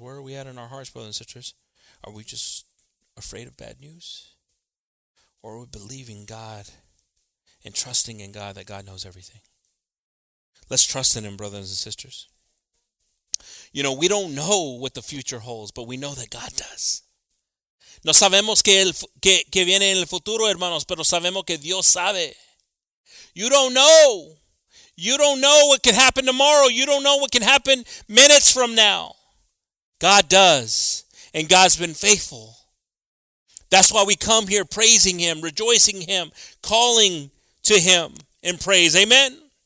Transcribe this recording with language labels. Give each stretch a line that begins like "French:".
English: Where are we at in our hearts, brothers and sisters? Are we just afraid of bad news? Or are we believing God and trusting in God that God knows everything? Let's trust in him, brothers and sisters. You know, we don't know what the future holds, but we know that God does.
Spanish: No sabemos que viene en el futuro, hermanos, pero sabemos que Dios sabe.
English: You don't know. You don't know what can happen tomorrow. You don't know what can happen minutes from now. God does, and God's been faithful. That's why we come here praising him, rejoicing him, calling to him in praise. Amen.